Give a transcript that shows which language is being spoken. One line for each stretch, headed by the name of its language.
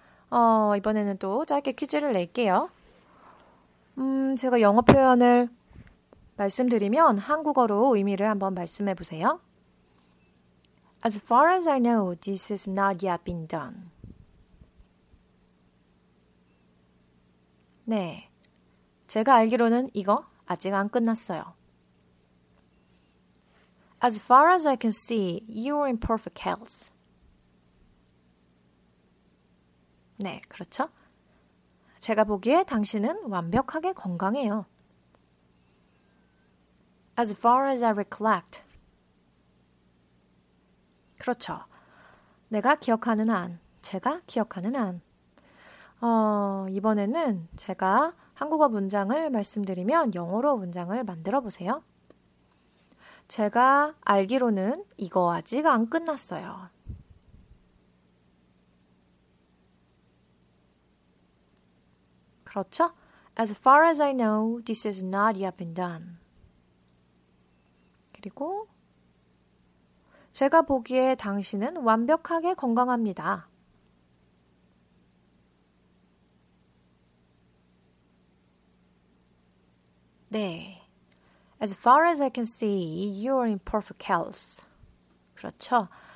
Korean: 이번에는 또 짧게 퀴즈를 낼게요. 제가 영어 표현을 말씀드리면 한국어로 의미를 한번 말씀해 보세요.
English: As far as I know, this has not yet been done.
Korean: 네, 제가 알기로는 이거 아직 안 끝났어요.
English: As far as I can see, you are in perfect health.
Korean: 네, 그렇죠? 제가 보기에 당신은 완벽하게 건강해요.
English: As far as I recollect.
Korean: 그렇죠. 내가 기억하는 한, 제가 기억하는 한. 이번에는 제가 한국어 문장을 말씀드리면 영어로 문장을 만들어 보세요. 제가 알기로는 이거 아직 안 끝났어요.
English: As far as I know, this has not yet been done.
Korean: 그리고 제가 보기에 당신은 완벽하게 건강합니다.
English: As far as I can see, you are in perfect health.
Korean: 그렇죠.